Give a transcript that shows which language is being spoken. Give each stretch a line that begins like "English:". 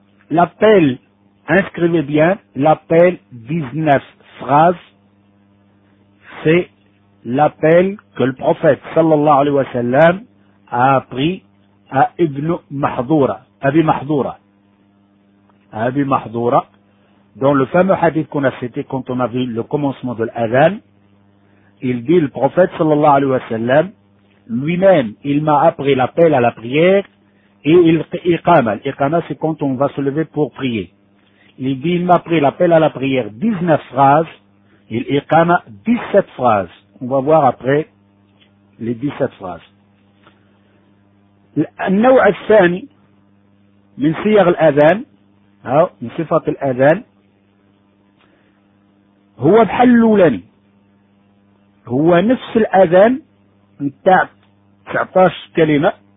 French: l'appel inscrivez bien l'appel 19 phrases c'est l'appel que le prophète
Arabic: صلى الله عليه وسلم
French: a appris à ابن محذورة أبي محذورة أبي محذورة Dans le fameux hadith qu'on a cité quand on a vu le commencement de l'adhan, il dit le prophète
Arabic: sallallahu alayhi wa sallam,
French: lui-même, il m'a appris l'appel à la prière et il iqama. L'iqama, c'est quand on va se lever pour prier. Il dit, il m'a appris l'appel à la prière 19 phrases, il iqama 17 phrases. On va voir après les 17 phrases.
Arabic: النوع الثاني من صيغ الأذان, من صفة الأذان, هو بحلولني هو نفس الأذان نتاع 19 كلمة